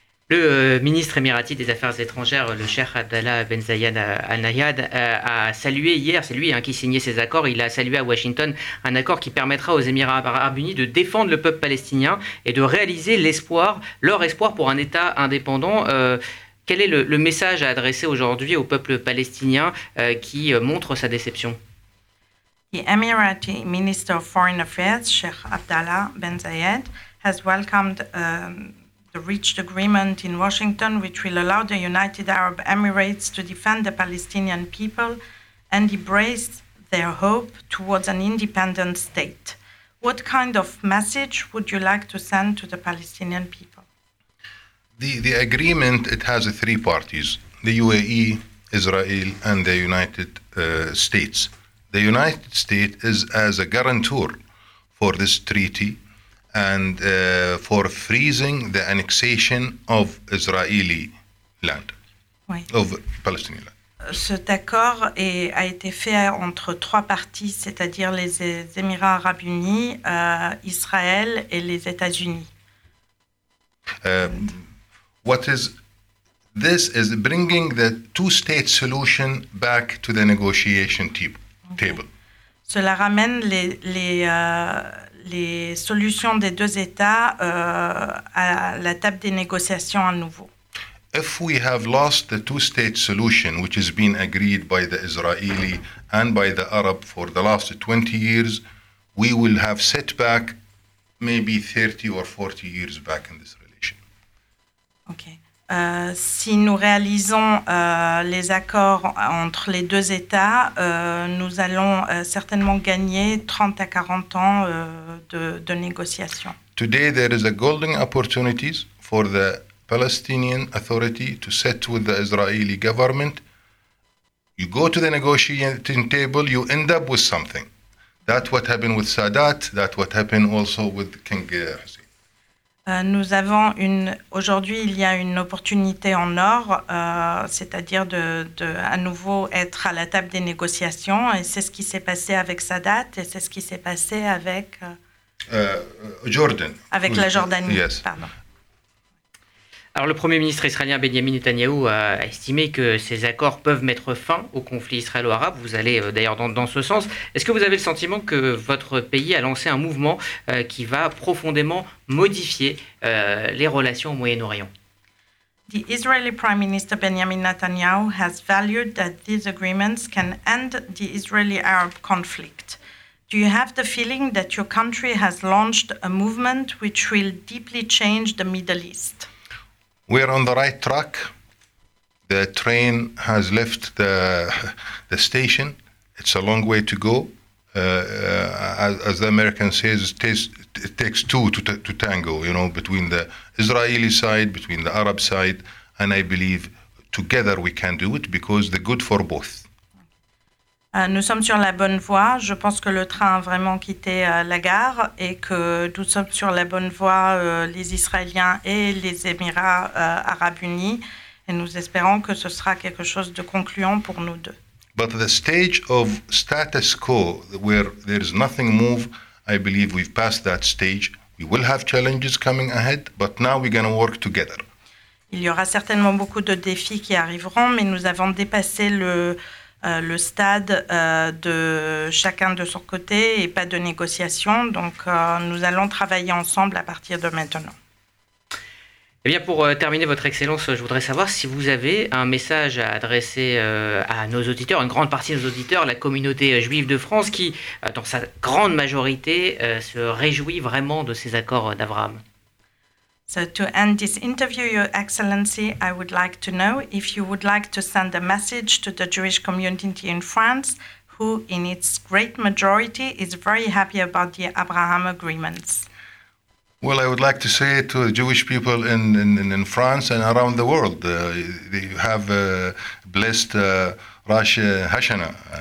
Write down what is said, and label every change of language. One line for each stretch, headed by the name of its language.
French: Le ministre émirati des Affaires étrangères, le cheikh Abdallah Ben Zayed Al Nahyan, a salué hier, c'est lui qui signait ces accords, il a salué à Washington un accord qui permettra aux Émirats arabes unis de défendre le peuple palestinien et de réaliser l'espoir, leur espoir pour un État indépendant. Quel est le message à adresser aujourd'hui au peuple palestinien qui montre sa déception?
English: The Emirati Minister of Foreign Affairs, Sheikh Abdallah Ben Zayed, has welcomed the reached agreement in Washington, which will allow the United Arab Emirates to defend the Palestinian people and embrace their hope towards an independent state. What kind of message would you like to send to the Palestinian people? The agreement, it has three parties, the UAE, Israel, and the United States. The United States is as a guarantor for this treaty and for freezing the annexation of Israeli land,
French: oui.
English: Of Palestinian land.
French: Cet accord a été fait entre trois parties, c'est-à-dire les Émirats Arabes Unis, Israël et les États-Unis.
English: What is this is bringing the two-state solution back to the negotiation table. Okay.
French: Cela ramène les solutions des deux États à la table des négociations à nouveau.
English: If we have lost the two-state solution, which has been agreed by the Israeli and by the Arab for the last 20 years, we will have set back maybe 30 or 40 years back in this. Ok.
French: Si nous réalisons les accords entre les deux États, nous allons certainement gagner 30 à 40 ans de négociations.
English: Today there is a golden opportunities for the Palestinian Authority to sit with the Israeli government. You go to the negotiating table, you end up with something. That's what happened with Sadat. That's what happened also with King Hussein.
French: Nous avons aujourd'hui, il y a une opportunité en or, c'est-à-dire de à nouveau être à la table des négociations. Et c'est ce qui s'est passé avec Sadat et c'est ce qui s'est passé avec...
English: Jordan.
French: Avec la Jordanie,
English: yes.
French: Pardon. Alors le Premier ministre israélien Benjamin Netanyahou a estimé que ces accords peuvent mettre fin au conflit israélo-arabe. Vous allez d'ailleurs dans ce sens. Est-ce que vous avez le sentiment que votre pays a lancé un mouvement qui va profondément modifier les relations au Moyen-Orient?
English: The Israeli Prime Minister Benjamin Netanyahu has valued that these agreements can end the Israeli-Arab conflict. Do you have the feeling that your country has launched a movement which will deeply change the Middle East? We're on the right track. The train has left the station. It's a long way to go. As the American says, it takes two to tango, you know, between the Israeli side, between the Arab side, and I believe together we can do it because the good for both.
French: Nous sommes sur la bonne voie. Je pense que le train a vraiment quitté la gare et que nous sommes sur la bonne voie, les Israéliens et les Émirats Arabes Unis. Et nous espérons que ce sera quelque chose de concluant pour nous deux.
English: But the stage of status quo, where there is nothing move, I believe we've passed that stage. We will have challenges coming ahead, but now we're going to work together.
French: Il y aura certainement beaucoup de défis qui arriveront, mais nous avons dépassé le stade de chacun de son côté et pas de négociation. Donc, nous allons travailler ensemble à partir de maintenant. Eh bien, pour terminer, Votre Excellence, je voudrais savoir si vous avez un message à adresser à nos auditeurs, une grande partie de nos auditeurs, la communauté juive de France, qui, dans sa grande majorité, se réjouit vraiment de ces accords d'Abraham.
English: So to end this interview, Your Excellency, I would like to know if you would like to send a message to the Jewish community in France, who in its great majority is very happy about the Abraham agreements. Well, I would like to say to the Jewish people in France and around the world, they have blessed Rosh Hashanah.